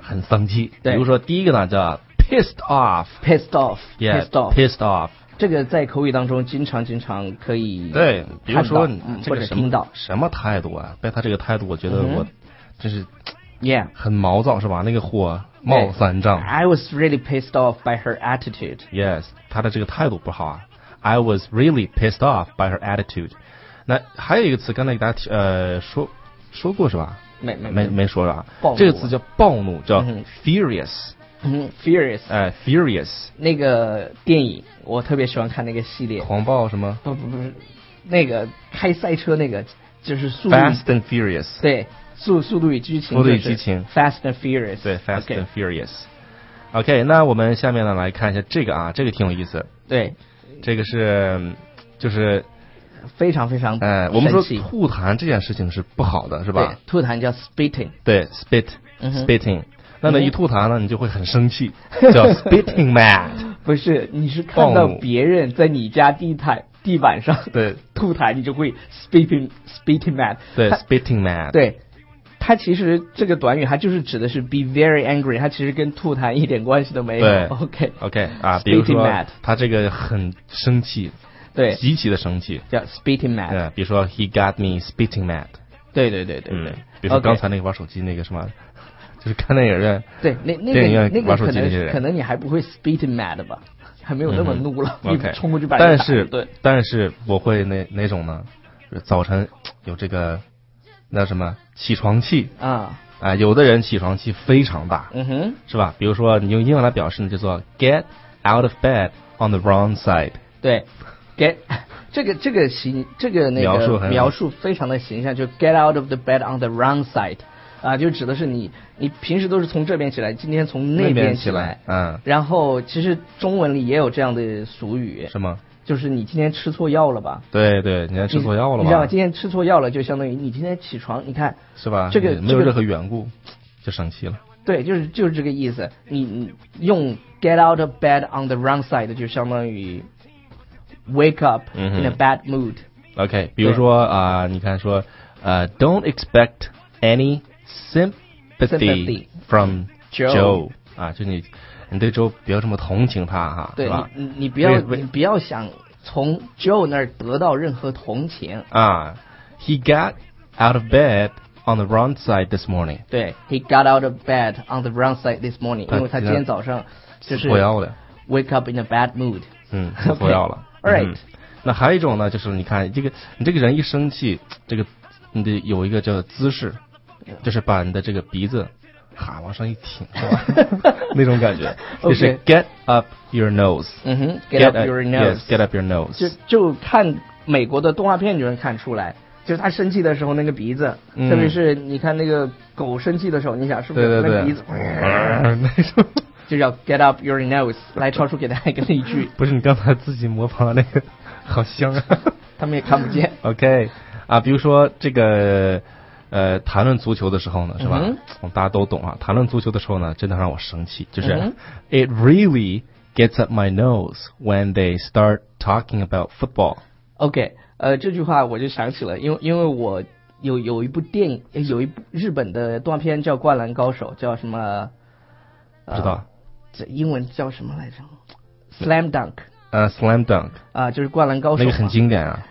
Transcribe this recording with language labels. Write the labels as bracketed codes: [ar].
[zh] 很生气。对，比如说第一个呢叫 pissed off。 [en] pissed off。 yeah, pissed off, pissed off。 [zh] 这个在口语当中经常可以看到。对，比如说你这个什么听到什么态度啊，被他这个态度我觉得我真是很毛躁、 mm-hmm. 是吧，那个火冒三丈。 [en] I was really pissed off by her attitude. [zh] Yes, 他的这个态度不好啊。 [en] I was really pissed off by her attitude. [zh] 那还有一个词刚才给大家说过是吧，没说了、啊、这个词叫暴怒，叫 furious、 [en] mm-hmm. Furious, Furious, [zh] 那个电影我特别喜欢看，那个系列狂暴什么，不是那个开赛车，那个就是速度 [en] Fast and Furious, [zh] 对，速度与激情，速度与激情 [en] Fast and Furious, 对 Fast、 okay. and Furious. [zh] OK, 那我们下面呢来看一下这个啊，这个挺有意思，对，这个是就是非常非常生气，我们说吐痰这件事情是不好的是吧，对，吐痰叫 spitting, 对 spitting、嗯，那么一吐痰呢，你就会很生气，叫 spitting mad。不是，你是看到别人在你家地板上对吐痰，你就会 spitting mad。 [en] 对 spitting mad, [zh] 对，它其实这个短语它就是指的是 [en] be very angry, [zh] 它其实跟吐痰一点关系都没有。对 [en] OK [zh] OK 啊，比如说他这个很生气，对，极其的生气，叫 spitting mad。对，比如说 [en] he got me spitting mad。 [zh] 对、嗯、比如说刚才那个玩手机那个什么、 [en] okay. [zh] 就是看电影的，对，那个玩手机那些人，可能你还不会 spitting mad 吧，还没有那么怒了，嗯、你冲过去把人打一顿。但是我会哪种呢？早晨有这个那什么起床气啊，有的人起床气非常大，嗯哼，是吧？比如说你用英文来表示呢，叫做 [en] get out of bed on the wrong side。 [zh] 对 ，get 这个形这个那个描述非常的形象，就 [en] get out of the bed on the wrong side。 [zh] 啊，就指的是你平时都是从这边起来，今天从那边起来，嗯，然后其实中文里也有这样的俗语，什么？就是你今天吃错药了吧？对对，你今天吃错药了吧？你知道吗？今天吃错药了，就相当于你今天起床，你看是吧？这个没有任何缘故，就生气了。对，就是这个意思。你用 [en] get out of bed on the wrong side [zh] 就相当于 [en] wake up in a bad mood。 [zh] OK, 比如说啊、你看说 [en] don't expect any。 Sympathy from Joe [zh] 啊，就你对 Joe 不要这么同情他哈，对吧？你不要想从 Joe 那儿得到任何同情啊。 [en] He got out of bed on the wrong side this morning. 对 ，He got out of bed on the wrong side this morning. [zh] 因为他今天早上就是火药的 [en] ，wake up in a bad mood. [zh] 嗯，火药了。 [en] Okay, all right.、 [zh] 嗯、那还有一种呢，就是你看这个，你这个人一生气，这个你得有一个叫姿势。就是把你的这个鼻子哈往上一挺是吧那种感觉、 [en] okay. [zh] 就是 [en] get up your nose、 mm-hmm. get up your nose yes, get up your nose, [zh] 就看美国的动画片就能看出来，就是他生气的时候那个鼻子、嗯、特别是你看那个狗生气的时候，你想是不是对对对那个鼻子那种，就叫 get up your nose 来超出给大家一个例句不是你刚才自己模仿那个好香啊他们也看不见 OK 啊，比如说这个谈论足球的时候呢，是吧？嗯、大家都懂啊。谈论足球的时候呢，真的让我生气，就是、嗯、 [en] it really gets up my nose when they start talking about football. [zh] OK, 这句话我就想起了，因为我有一部电影，有一部日本的动画片叫《灌篮高手》，叫什么？不知道，这英文叫什么来着 ？Slam Dunk。 [en] Slam Dunk。 [zh] 啊，就是《灌篮高手》。那个很经典啊。